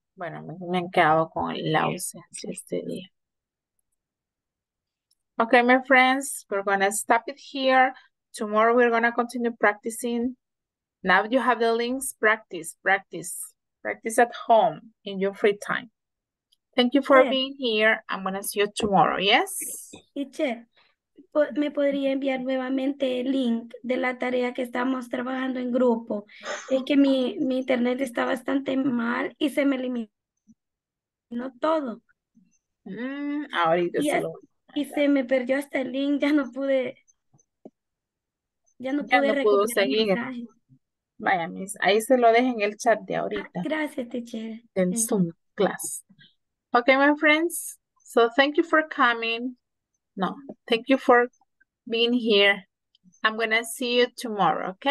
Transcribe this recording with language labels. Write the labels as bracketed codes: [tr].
[es] Bueno, me he quedado con la ausencia este día. [en] Okay, my friends, we're going to stop it here. Tomorrow we're going to continue practicing. Now you have the links, practice at home in your free time. Thank you for being here. I'm going to see you tomorrow, yes? [es] Teacher, ¿me podría enviar nuevamente el link de la tarea que estamos trabajando en grupo? Es que mi internet está bastante mal y se me eliminó todo. Ahorita solo. Y se me perdió hasta el link, ya no pude recuperar el mensaje. Vaya, mis, ahí se lo dejo en el chat de ahorita. Ah, gracias, teacher. En Zoom class. [en] Okay, my friends, so thank you for coming. No, thank you for being here. I'm gonna see you tomorrow, okay?